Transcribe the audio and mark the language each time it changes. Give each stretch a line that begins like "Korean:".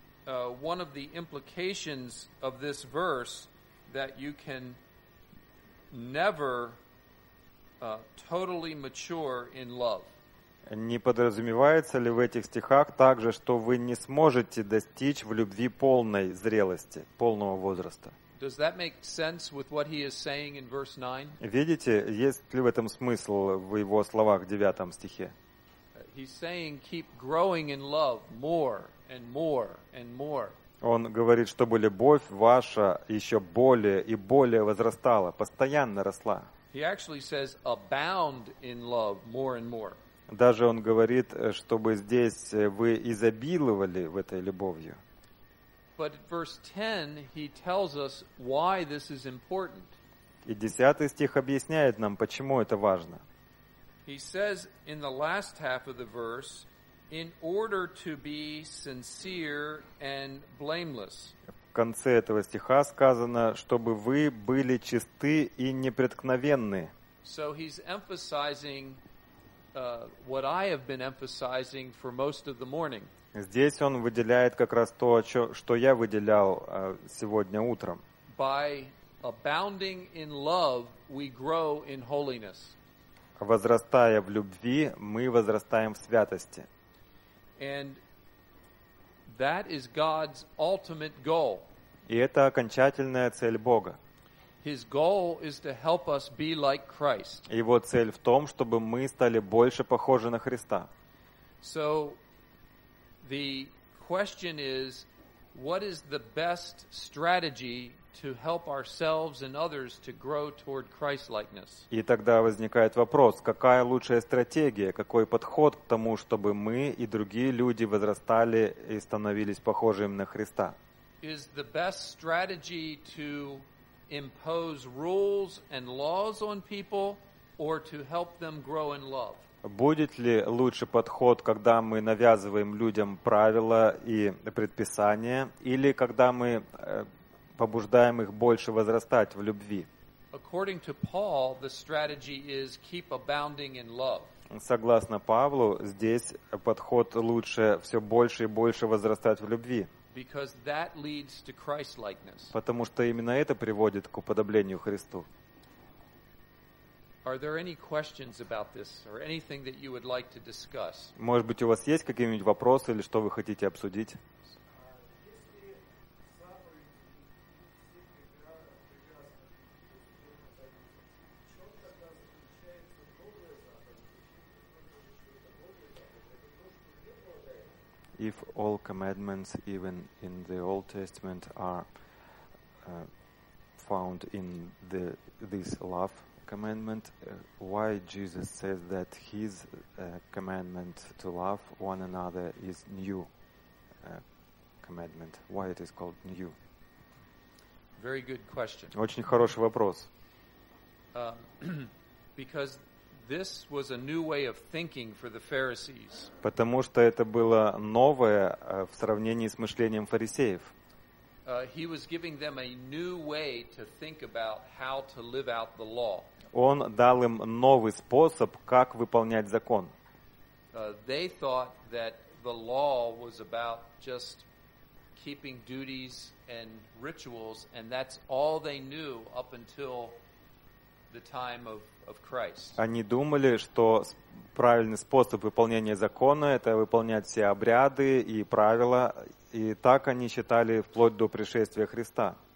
English: One of the implications of this verse that you can never totally mature in love.
Russian: Не подразумевается ли в этих стихах также, что вы не сможете достичь в любви полной зрелости, полного возраста?
English: Does that make sense with what he is saying in verse 9?
Russian: Видите, есть ли в этом смысл в его словах в 9 стихе?
English: He's saying keep growing in love more. And more and more.
Russian: Он говорит, чтобы любовь ваша еще более и более возрастала, постоянно росла.
English: He actually says abound in love more and more.
Russian: Даже он говорит, чтобы здесь вы изобиловали в этой любовью.
English: But in verse 10 he tells us why this is important.
Russian: И 10 стих объясняет нам, почему это важно.
English: He says in the last half of the verse, in order to be sincere and blameless.
Russian: В конце этого стиха сказано, чтобы вы были чисты и непреткновенны.
English: So he's emphasizing what I have been emphasizing for most of the morning.
Russian: Здесь он выделяет как раз то, что я выделял сегодня утром.
English: By abounding in love, we grow in holiness.
Russian: Возрастая в любви, мы возрастаем в святости.
English: And that is God's ultimate goal.
Russian: И это окончательная цель Бога.
English: His goal is to help us be like Christ.
Russian: Его цель в том, чтобы мы стали больше похожи на Христа.
English: So the question is, what is the best strategy to help ourselves and others to grow toward Christ-likeness?
Russian: И тогда возникает вопрос, какая лучшая стратегия, какой подход к тому, чтобы мы и другие люди возрастали и становились похожими на Христа?
English: Is the best strategy to impose rules and laws on people or to help them grow in love?
Russian: Будет ли лучше подход, когда мы навязываем людям правила и предписания, или когда мы побуждаем их больше возрастать в любви?
English: According to Paul, the strategy is keep abounding in love.
Russian: Согласно Павлу, здесь подход лучше все больше и больше возрастать в любви.
English: Because that leads to Christ-likeness.
Russian: Потому что именно это приводит к уподоблению Христу.
English: Are there any questions about this or anything that you would like to discuss?
Russian: Может быть, у вас есть какие-нибудь вопросы или что вы хотите обсудить? Если
English: if all commandments, even in the Old Testament, are found in this love commandment, why Jesus says that his commandment to love one another is new commandment? Why it is called new? Very good question.
Russian: Очень хороший вопрос.
English: Because this was a new way of thinking for the Pharisees.
Russian: Потому что это было новое в сравнении с мышлением фарисеев.
English: He was giving them a new way to think about how to live out the law.
Russian: Он дал им новый способ, как выполнять закон.
English: They thought that the law was about just keeping duties and rituals, and that's all they knew up until the time of Christ.
Russian: Они думали, что правильный способ выполнения закона – это выполнять все обряды и правила, и так они считали вплоть до пришествия Христа.